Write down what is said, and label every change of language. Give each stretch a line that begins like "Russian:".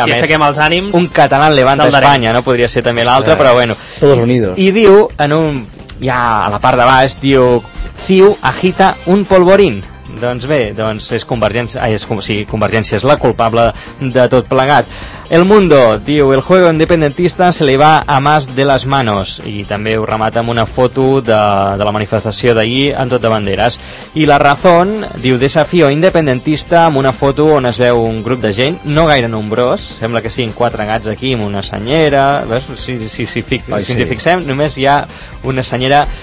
Catalan: A més, aixequem els ànims. Un català Levanta Espanya, no? Podria ser també l'altre, però bueno.
Spanish: Todos unidos.
Catalan: I diu, en un... ja a la part de baix, diu:
Spanish: Ciu agita un polvorín.
Catalan: Doncs bé, doncs és Convergència... Convergència és la culpable de tot plegat.
Spanish: El Mundo diu: el juego independentista se le va a más de las manos.
Catalan: I també ho remata amb una foto de la manifestació d'ahir en tot de banderes. I La Razón diu:
Spanish: desafío independentista,
Catalan: amb una foto on es veu un grup de gent no gaire nombrós. Sembla que siguin quatre gats aquí amb una senyera. Veus? Si fixem, només hi ha una senyera.